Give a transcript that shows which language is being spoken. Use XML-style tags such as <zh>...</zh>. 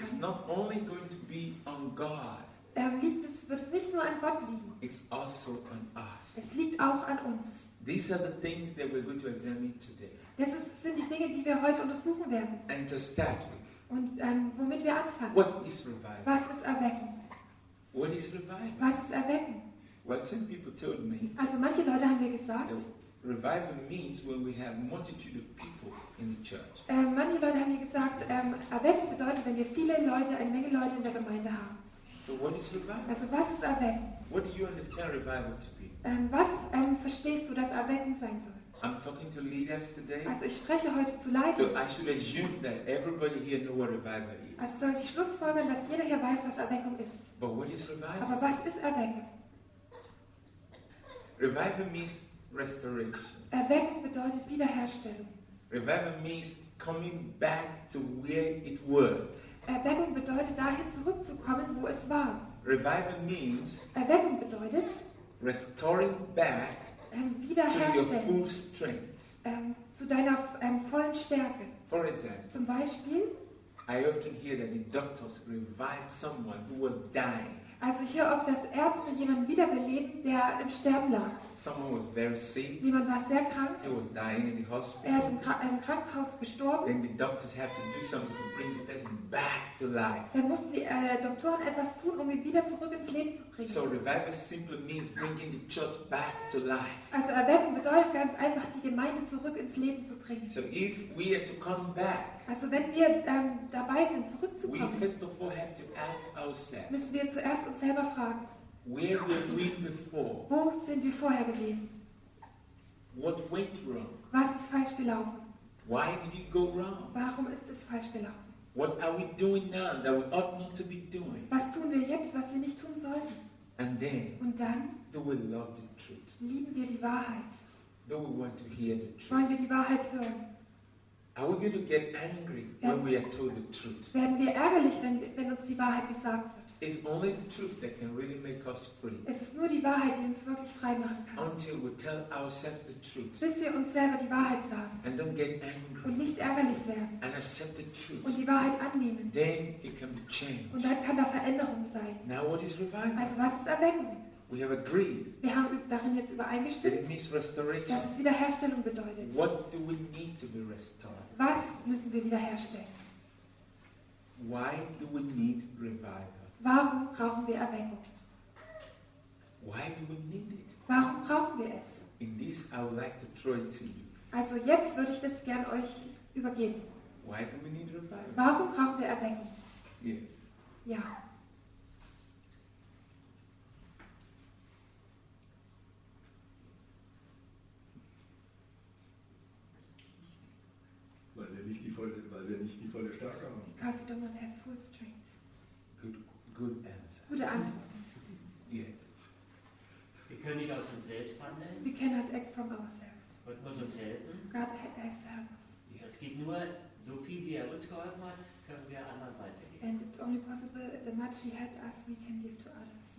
<en>It's not only going to be on God.</en> <de>Wird es nicht nur an Gott liegen.</de> <en>It's also on us.</en> <de>Es liegt auch an uns.</de> <en>These are the things that we're going to examine today.</en> <de>Das sind die Dinge, die wir heute untersuchen werden.</de> <en>And to start with.</en> <de>Und womit wir anfangen.</de> <en>What is revival?</en> <de>Was ist Erweckung?</de> <en>What is revival?</en> <de>Was ist Erweckung?</de> <en>Well, some people told me.</en> <de>Also manche Leute haben mir gesagt.</de> <en>Revival means when we have multitude of people in the church.</en> <de>Manche Leute haben mir gesagt, Erweckung bedeutet, wenn wir viele Leute, eine Menge Leute in der Gemeinde haben.</de> <en>So what is revival?</en> <de>Also was ist Erweckung?</de> <en>What do you understand revival to be?</en> <de>Was verstehst du, dass Erweckung sein soll?</de> <en>I'm talking to leaders today.</en> <de>Also ich spreche heute zu Leitern.</de> <en>So I should assume that everybody here knows what revival is.</en> <de>Also sollte ich schlussfolgern, dass jeder hier weiß, was Erweckung ist.</de> <en>But what is revival?</en> <de>Aber was ist Erweckung?</de> <en>Revival means restoration.</en> <de>Erweckung bedeutet Wiederherstellung.</de> <en>Revival means coming back to where it was.</en> <de>Erweckung bedeutet dahin zurückzukommen, wo es war.</de> <en>Revival means</en> <de>Erweckung bedeutet</de> <en>restoring back</en> <de>Wiederherstellen</de> <en>to your full strength.</en> <de>Zu deiner vollen Stärke.</de> <en>For example,</en> <de>zum Beispiel,</de> <en>I often hear that the doctors revive someone who was dying.</en> <de>Also ich höre oft, dass Ärzte jemanden wiederbeleben, der im Sterben lag.</de> <en>Someone was very sick.</en> <de>Jemand war sehr krank.</de> <en>He was dying in the hospital.</en> <de>Er ist im Krankenhaus gestorben.</de> <en>Then the doctors have to do something to bring the person back to life.</en> <de>Dann mussten die Doktoren etwas tun, um ihn wieder zurück ins Leben zu bringen.</de> <en>So revival simply means bringing the church back to life.</en> <de>Also Erweckung bedeutet ganz einfach, die Gemeinde zurück ins Leben zu bringen.</de> <en>So if we are to come back.</en> <de>Also wenn wir dabei sind, zurückzukommen,</de> <en>we first of all have to ask ourselves,</en> <de>müssen wir zuerst uns selber fragen,</de> <en>where were we before?</en> <de>Wo sind wir vorher gewesen?</de> <en>What went wrong?</en> <de>Was ist falsch gelaufen?</de> <en>Why did it go wrong?</en> <de>Warum ist es falsch gelaufen?</de> <en>What are we doing now that we ought not to be doing?</en> <de>Was tun wir jetzt, was wir nicht tun sollten?</de> <en>And then,</en> <de>und dann,</de> <en>do we love the truth?</en> <de>Lieben wir die Wahrheit?</de> <en>Do we want to hear the truth?</en> <de>Wollen wir die Wahrheit hören?</de> <en>Are we going to get angry when we are told the truth?</en> <de>Werden wir ärgerlich, wenn uns die Wahrheit gesagt wird?</de> <en>It's only the truth that can really make us free.</en> <de>Es ist nur die Wahrheit, die uns wirklich frei machen kann.</de> <en>Until we tell ourselves the truth.</en> <de>Bis wir uns selber die Wahrheit sagen.</de> <en>And don't get angry.</en> <de>Und nicht ärgerlich werden.</de> <en>And accept the truth.</en> <de>Und die Wahrheit annehmen.</de> <en>Then it can be changed.</en> <de>Und dann kann da Veränderung sein.</de> <en>Now what is revival?</en> <de>Also was ist Erweckung?</de> <en>We have agreed.</en> <de>Wir haben darin jetzt übereingestimmt.</de> <en>That it means restoration.</en> <de>Dass es Wiederherstellung bedeutet.</de> <en>What do we need to be restored?</en> <de>Was müssen wir wiederherstellen?</de> <en>Why do we need revival?</en> <de>Warum brauchen wir Erweckung?</de> <en>Why do we need it?</en> <de>Warum brauchen wir es?</de> <en>In this I would like to throw it to you.</en> <de>Also jetzt würde ich das gerne euch übergeben.</de> <en>Why do we need revival?</en> <de>Warum brauchen wir Erweckung?</de> <en>Yes.</en> <de>Ja. weil wir nicht die volle Stärke haben.</de> <en>Because we don't have full strength. Good answer.</en> <de>Gute Antwort.</de> <en>Yes.</en> <de>Wir können nicht aus uns selbst handeln.</de> <en>We cannot act from ourselves.</en> <de>Gott muss uns helfen.</de> <en>God has helped us.</en> <de>Es geht nur so viel, wie er uns geholfen hat, können wir anderen weitergeben.</de> <en>And it's only possible the much he helped us we can give to others.</en>